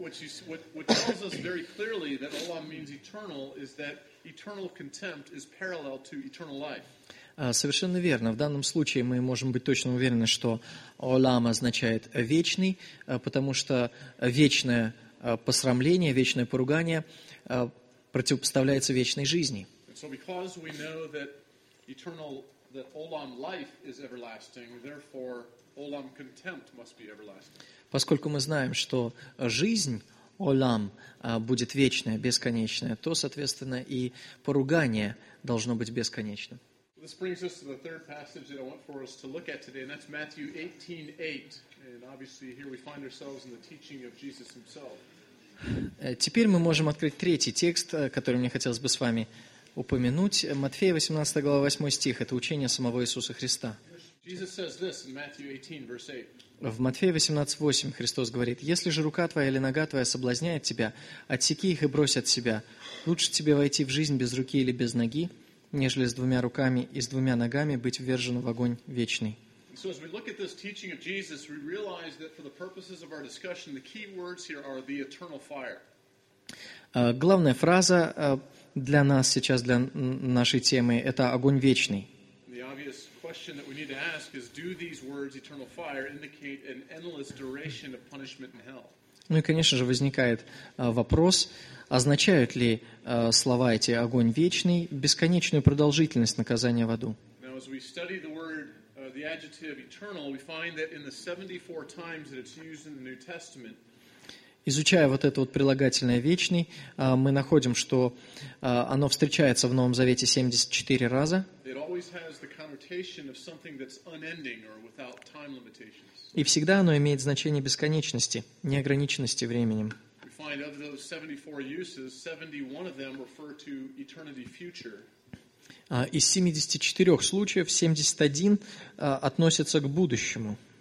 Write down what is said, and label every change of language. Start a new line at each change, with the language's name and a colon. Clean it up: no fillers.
English: What tells us very clearly that olam means eternal is that eternal contempt is parallel to eternal life.
Russian: Совершенно верно. В данном случае мы можем быть точно уверены, что olam означает вечный, потому что вечное посрамление, вечное поругание противопоставляется вечной жизни.
English: So because we know that eternal, that olam life is everlasting, therefore olam contempt must be everlasting.
Russian: Поскольку мы знаем, что жизнь, олам, будет вечная, бесконечная, то, соответственно, и поругание должно быть бесконечным.
English: This brings us to the third passage that I want for us to look at today, and that's Matthew 18:8. And obviously, here we find ourselves in the teaching of Jesus himself.
Russian: Теперь мы можем открыть третий текст, который мне хотелось бы с вами упомянуть. Матфея 18, глава 8 стих. Это учение самого Иисуса Христа. В Матфея 18:8 Христос говорит: «Если же рука твоя или нога твоя соблазняет тебя, отсеки их и брось от себя. Лучше тебе войти в жизнь без руки или без ноги, нежели с двумя руками и с двумя ногами быть ввержен в огонь вечный».
English: So as we look at this teaching of Jesus, we realize that for the purposes of our discussion, the key words here are the eternal fire.
Russian: Главная фраза для нас сейчас, для нашей темы, это огонь вечный.
English: The obvious question that we need to ask is, do these words, eternal fire, indicate an endless duration of punishment in hell?
Russian: Ну и, конечно же, возникает вопрос, означают ли слова эти «огонь вечный» бесконечную продолжительность наказания в аду?
English: Now, as we study the word, the adjective eternal, we find that in the 74 times that it's used in the New Testament,
Russian: изучая вот это вот прилагательное «вечный», мы находим, что оно встречается в Новом Завете 74 раза.
English: It always has the connotation of something that's unending or without time limitations.
Russian: И всегда оно имеет значение бесконечности, неограниченности временем.
English: We find of those 74 uses, 71 of them refer to eternity future.
Russian: Из 74 случаев 71 относятся к будущему.